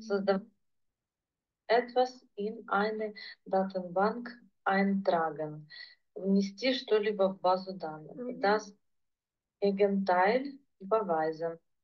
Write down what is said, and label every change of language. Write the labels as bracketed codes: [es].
[ru] Создавать [de] etwas in eine Datenbank eintragen. [ru] Внести что-либо в базу данных. [de] Das Gegenteil beweisen.